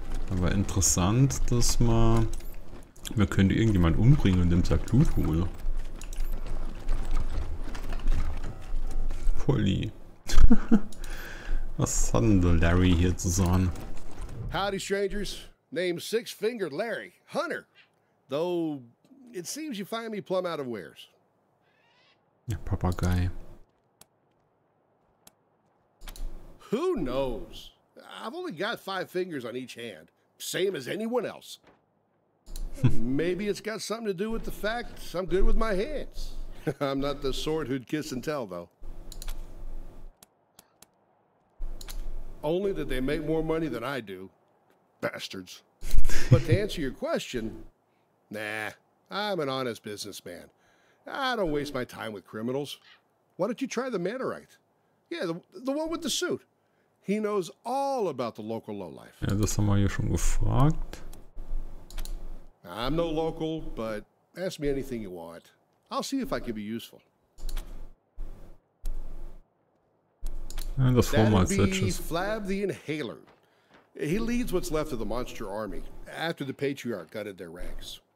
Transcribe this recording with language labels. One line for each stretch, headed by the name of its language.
German: Aber interessant, dass man... Man könnte irgendjemanden umbringen und dem sagt Loot holen. Polly. Was hat denn der Larry hier zu sagen?
English: Howdy, strangers. Name Six-Fingered Larry. Hunter. Though, it seems you find me plumb out of wares.
German: Ja, Papagei.
English: Who knows? I've only got 5 fingers on each hand. Same as anyone else. Maybe it's got something to do with the fact I'm good with my hands. I'm not the sort who'd kiss and tell, though. Only that they make more money than I do. Bastards. But to answer your question, nah, I'm an honest businessman. I don't waste my time with criminals. Why don't you try the Manorite? Yeah, the one with the suit. He knows all about the local lowlife.
German: Ja, das haben wir ja schon gefragt.
English: I'm no local, but ask me anything you want. I'll see if I can be useful.
German: Ja, das
English: That'd be Flab the Inhaler. He leads what's left of the Monster Army after the Patriarch gutted their ranks.